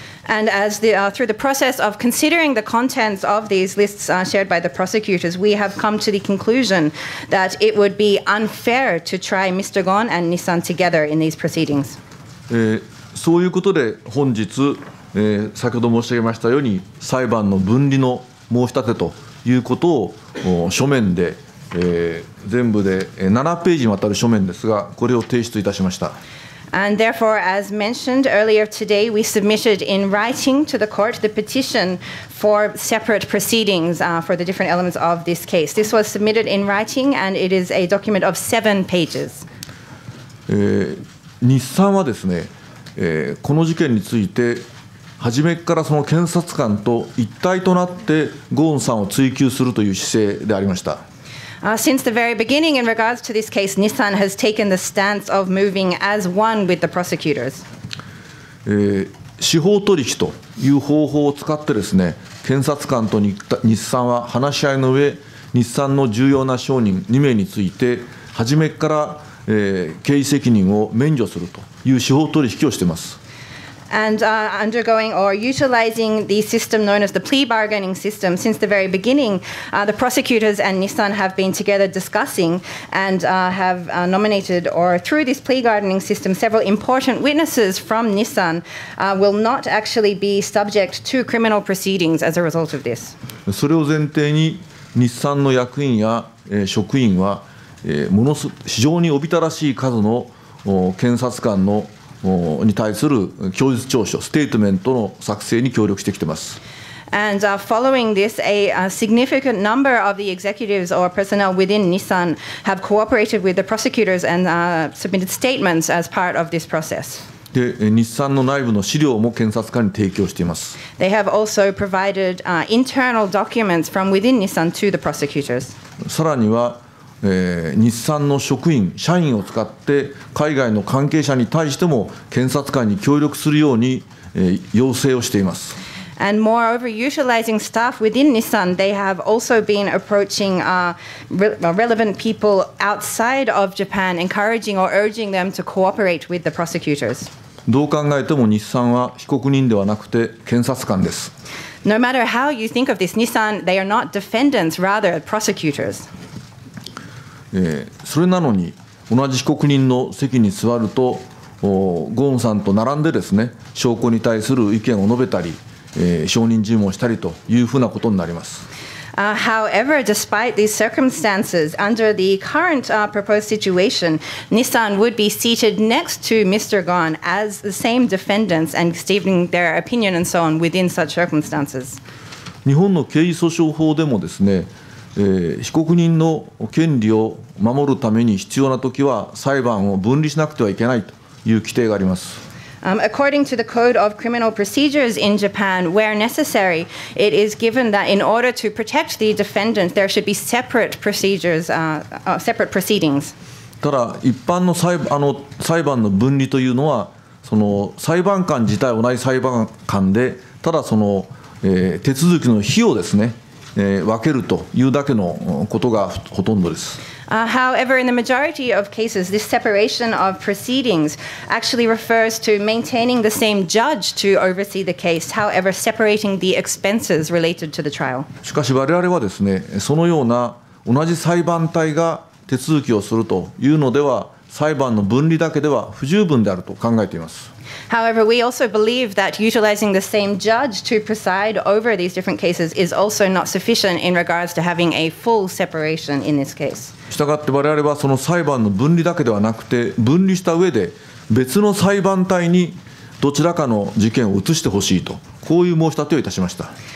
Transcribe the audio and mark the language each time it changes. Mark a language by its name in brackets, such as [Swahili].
[English] And as the, through the process of considering the contents of these lists shared by the prosecutors, we have come to the conclusion that it would be unfair to try Mr. Ghosn and Nissan together in these proceedings. [Japanese] そういうことで本日、先ほど申し上げましたように裁判の分離の申し立てということを書面で、全部で7ページにわたる書面ですが、これを提出いたしました。 [English] And therefore, as mentioned earlier today, we submitted in writing to the court the petition for separate proceedings for the different elements of this case. This was submitted in writing, and it is a document of 7 pages. [Japanese] 日産はですね、この事件について初めからその検察官と一体となってゴーンさんを追及するという姿勢でありました。 [English] Since the very beginning in regards to this case, Nissan has taken the stance of moving as one with the prosecutors. [Japanese] 司法取引という方法を使ってですね、検察官と日産は話し合いの上、日産の重要な証人2名について初めから経営責任を免除するという司法取引をしています。 [English] And undergoing or utilizing the system known as the plea bargaining system since the very beginning, the prosecutors and Nissan have been together discussing and have nominated or through this plea bargaining system, several important witnesses from Nissan will not actually be subject to criminal proceedings as a result of this. [Japanese] それを前提に日産の役員や職員は非常におびただしい数の検察官のに対する供述調書、ステートメントの作成に協力してきています。 [English] And following this, a significant number of the executives or personnel within Nissan have cooperated with the prosecutors and submitted statements as part of this process. [Japanese] で、日産の内部の資料も検察官に提供しています。 [English] They have also provided internal documents from within Nissan to the prosecutors. [Japanese] さらには日産の職員、社員を使って海外の関係者に対しても検察官に協力するように要請をしています。 [English] And moreover, utilizing staff within Nissan, they have also been approaching relevant people outside of Japan, encouraging or urging them to cooperate with the prosecutors. [Japanese] どう考えても日産は被告人ではなくて検察官です。 [English] No matter how you think of this, Nissan, they are not defendants, rather prosecutors. [Japanese] それなのに同じ被告人の席に座るとゴーンさんと並んでですね、証拠に対する意見を述べたり証人尋問をしたりというふうなことになります。 [English] However, despite these circumstances, under the current proposed situation, Nissan would be seated next to Mr. Ghosn as the same defendants and stating their opinion and so on within such circumstances. [Japanese] 日本の刑事訴訟法でもですね、被告人の権利を守るために必要なときは裁判を分離しなくてはいけないという規定があります。 [English] According to the Code of Criminal Procedures in Japan, where necessary, it is given that in order to protect the defendant, there should be separate procedures, separate proceedings. [Japanese] ただ一般の裁判の分離というのは、その裁判官自体同じ裁判官で、ただその手続きの費用ですね。分けるというだけのことがほとんどです。 [English] However, in the majority of cases, this separation of proceedings actually refers to maintaining the same judge to oversee the case, however, separating the expenses related to the trial. [Japanese] しかし我々はですね、そのような同じ裁判体が手続きをするというのでは、裁判の分離だけでは不十分であると考えています。 [English] However, we also believe that utilizing the same judge to preside over these different cases is also not sufficient in regards to having a full separation in this case. [Japanese] したがって我々はその裁判の分離だけではなくて、分離した上で別の裁判体にどちらかの事件を移してほしいと、こういう申し立てをいたしました。